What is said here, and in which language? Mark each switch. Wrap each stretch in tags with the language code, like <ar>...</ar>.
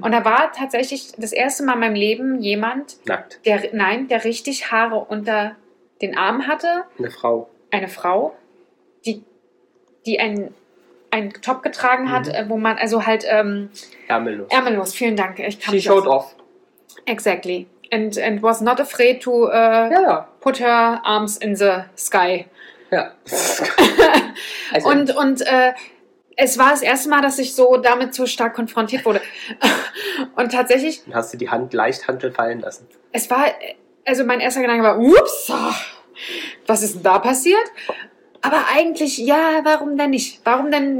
<de>Und da war tatsächlich das erste Mal in meinem Leben jemand, nackt. Der richtig Haare unter den Armen hatte. Eine Frau. Eine Frau, die einen Top getragen hat, wo man, also halt... Ärmellos. Ärmellos, vielen Dank. Ich kann</de> <en>She showed off. Exactly. And was not afraid to put her arms in the sky.</en> <de>Ja. Also. Und es war das erste Mal, dass ich so damit so stark konfrontiert wurde. Und tatsächlich... Hast du die Hand leicht Hantel fallen lassen? Es war... Also mein erster Gedanke war, ups, was ist denn da passiert? Aber eigentlich, ja, warum denn nicht? Warum denn...</de>